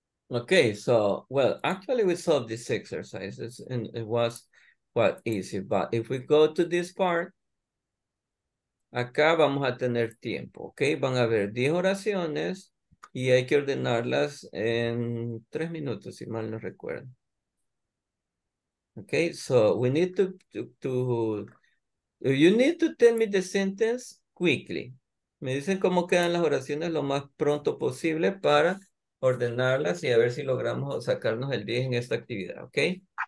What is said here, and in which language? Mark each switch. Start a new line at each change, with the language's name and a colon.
English: Okay, so, well, actually we solved these exercises and it was quite easy, but if we go to this part,
Spanish: acá vamos a tener tiempo,
English: okay?
Spanish: Van a haber 10 oraciones y hay que ordenarlas en 3 minutos, si mal no recuerdo.
English: Okay, so we need to tell me the sentence quickly.
Spanish: Me dicen cómo quedan las oraciones lo más pronto posible para ordenarlas y a ver si logramos sacarnos el 10 en esta actividad, ¿ok?